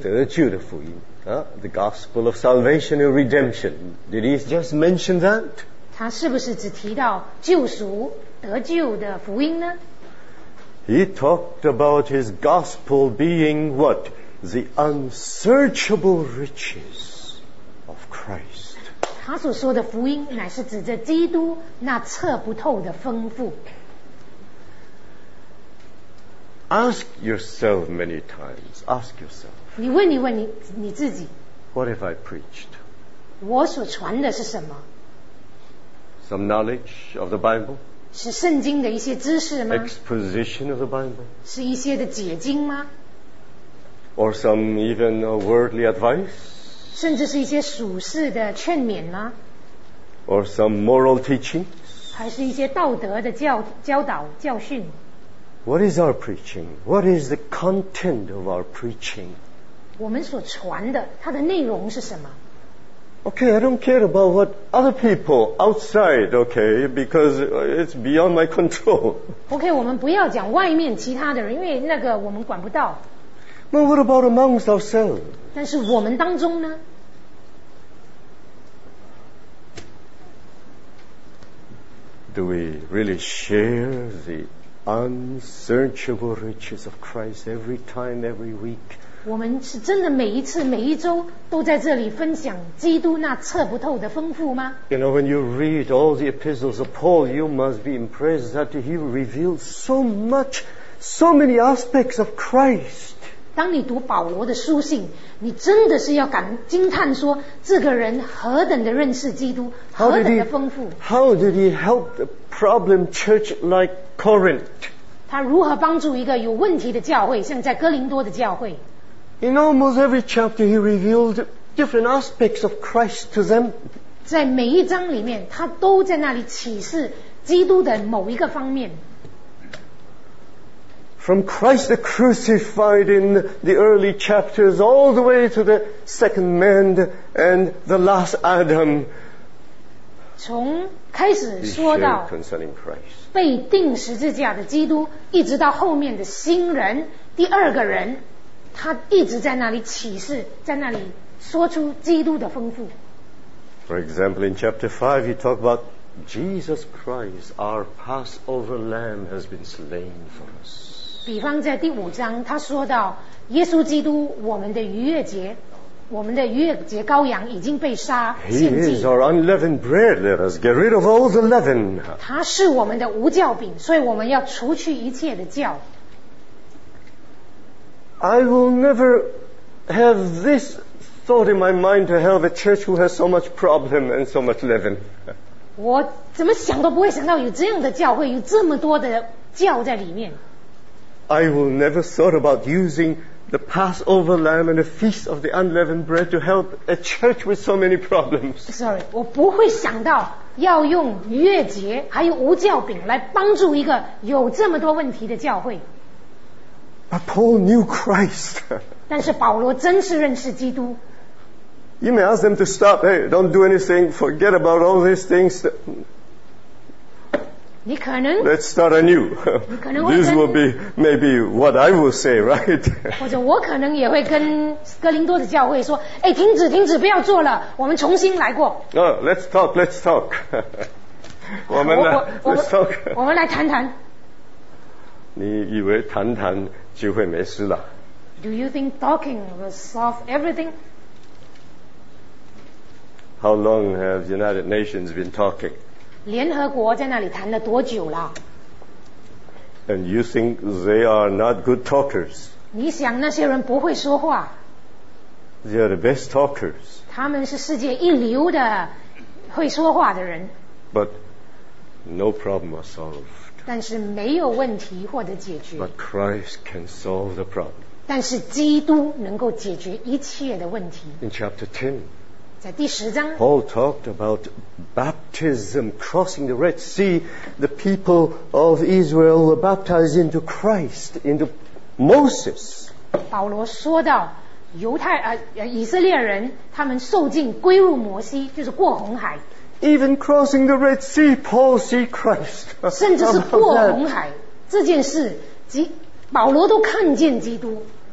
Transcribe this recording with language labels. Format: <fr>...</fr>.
<zh>得救的福音啊</zh> <en>，the gospel of salvation and redemption. Did he just mention that?</en> <zh>他是不是只提到救赎、得救的福音呢</zh> <en>？He talked about his gospel being what the unsearchable riches of Christ.</en> <zh>他所说的福音乃是指着基督那测不透的丰富。</zh> <en>Ask yourself many times, ask yourself,</en> <zh>你问你问 你自己，</zh> <en>What have I preached?</en> <zh>我所传的是什么？</zh> <en>Some knowledge of the Bible?</en> <zh>是圣经的一些知识吗？</zh> <en>Exposition of the Bible?</en> <zh>是一些的解经吗？</zh> <en>Or some even worldly advice?</en> <zh>甚至是一些属世的劝勉吗？</zh> <en>Or some moral teachings?</en> <zh>还是一些道德的 教导教训？</zh> <en>What is our preaching? What is the content of our preaching?</en> <zh>我们所传的它的内容是什么？</zh> <en>Okay, I don't care about what other people outside, okay, because it's beyond my control.</en> <zh>Okay, 我们不要讲外面其他的人，因为那个我们管不到。</zh> <en>But what about amongst ourselves?</en> <zh>但是我们当中呢？</zh> <en>Do we really share the unsearchable riches of Christ every time, every week.</en> <zh>我们是真的每一次每一周都在这里分享基督那测不透的丰富吗？</zh> <en>You know, when you read all the epistles of Paul, you must be impressed that he reveals so much, so many aspects of Christ.</en> <zh>当你读保罗的书信，你真的是要感惊叹说，这个人何等的认识基督，何等的丰富。</zh> <en>How did he help the problem church like Corinth?</en> <zh>他如何帮助一个有问题的教会，像在哥林多的教会？</zh> <en>In almost every chapter, he revealed different aspects of Christ to them.</en> <zh>在每一章里面，他都在那里启示基督的某一个方面。</zh> <en>From Christ the crucified in the early chapters, all the way to the second man and the last Adam.</en> <zh>从开始说到</zh> <en>concerning Christ.</en> <zh>被钉十字架的基督，一直到后面的新人，第二个人。他一直在那里启示，在那里说出基督的丰富。</zh> <en>For example, in chapter 5, he talked about Jesus Christ, our Passover lamb has been slain for us.</en> <zh>比方在第五章，他说到耶稣基督，我们的逾越节，我们的逾越节羔羊已经被杀献祭。</zh> <en>He is our unleavened bread, let us get rid of all the leaven.</en> <zh>他是我们的无酵饼，所以我们要除去一切的酵。</zh> <en>I will never have this thought in my mind to help a church who has so much problem and so much leaven.</en> <zh>我怎么想都不会想到有这样的教会，有这么多的酵在里面。</zh> <en>I will never thought about using the Passover lamb and the feast of the unleavened bread to help a church with so many problems.</en> <zh>Sorry, 我不会想到要用逾越节还有无酵饼来帮助一个有这么多问题的教会。</zh> <en>But Paul knew Christ.</en> <zh>但是保罗真是认识基督。</zh> <en>You may ask them to stop. Hey, don't do anything. Forget about all these things.</en> <zh>你可能</zh> <en>Let's start anew.</en> <zh>你可能</zh> <en>This will be maybe what I will say, right?</en> <zh>或者我可能也会跟哥林多的教会说，哎，停止，停止，不要做了，我们重新来过。</zh> <en>No, let's talk. Let's talk.</en> <zh>我们来</zh> <en>Let's talk.</en> <zh>我们来谈谈。你以为谈谈机会没事了？</zh> <en>Do you think talking will solve everything? How long have the United Nations been talking?</en> <zh>联合国在那里谈了多久了？</zh> <en>And you think they are not good talkers?</en> <zh>你想那些人不会说话？</zh> <en>They are the best talkers.</en> <zh>他们是世界一流的会说话的人。</zh> <en>But no problem was solved.</en> <zh>但是没有问题获得解决。</zh> <en>But Christ can solve the problem.</en> <zh>但是基督能够解决一切的问题。</zh> <en>In chapter 10,</en> <zh>在第十章</zh> <en>Paul talked about baptism crossing the Red Sea. The people of Israel were baptized into Christ, into Moses.</en> <zh>保罗说到犹太以色列人他们受浸归入摩西，就是过红海。</zh> <en>Even crossing the Red Sea, Paul see Christ.</en> <zh>甚至是过红海这件事，保罗都看见基督。</zh>